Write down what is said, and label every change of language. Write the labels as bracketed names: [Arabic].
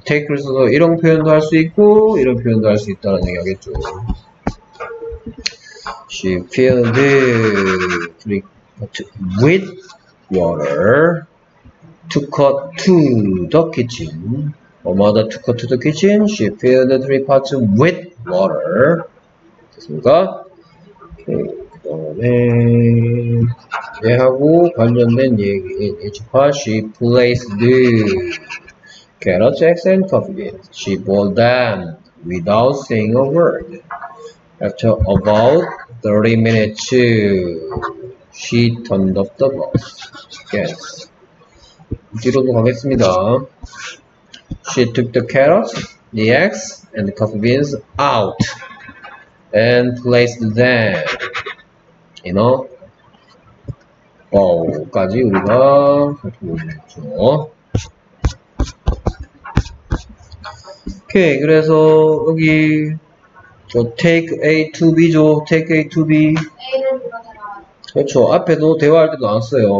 [Korean] take를 써서 이런 표현도 할 수 있고, 이런 표현도 할 수 있다는 얘기 하겠죠. [English] She filled it with water to the kitchen. Her mother took her to the kitchen. She filled the three pots with water. [Korean] 됐습니까? 오케이. 그 다음에, 얘하고 관련된 얘기. [English] Each pot she placed the carrots, eggs, and coffee beans. She boiled them without saying a word. After about 30 minutes, she turned off the gas. Yes. [Korean] 뒤로도 가겠습니다. [English] She took the carrots, the eggs and the coffee beans out and place them, you know. [Korean] 여기까지 우리가 살펴보겠죠. 오케이, 그래서 여기 저 take A to B죠. take A to B. A는 그렇죠. 앞에도 대화할 때도 안 써요.